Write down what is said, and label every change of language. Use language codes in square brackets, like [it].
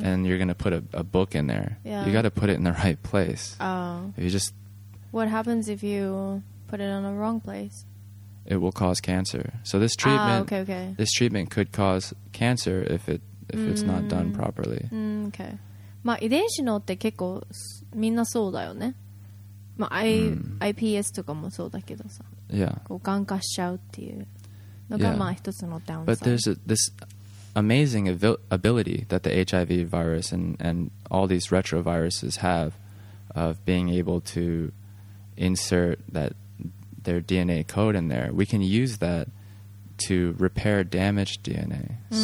[en] And you're going to put a book in there. Yeah. You got to put it in the right place. Oh. If you just... What happens if you put it on the wrong place? It will cause cancer. So this treatment... Ah, okay. This treatment could cause cancer if it's not done properly. Okay. [ja] まあ、遺伝子のって結構みんなそうだよね。まあ、iPS とかもそうだけどさ。 [en] Yeah. [ja] こう、がん化しちゃうっていうのが、まあ、一つのダウンサイド。 [en] But there's this... amazing ability that the HIV virus and all these retroviruses have of being able to insert that their DNA code in there. We can use that to repair damaged DNA. Mm.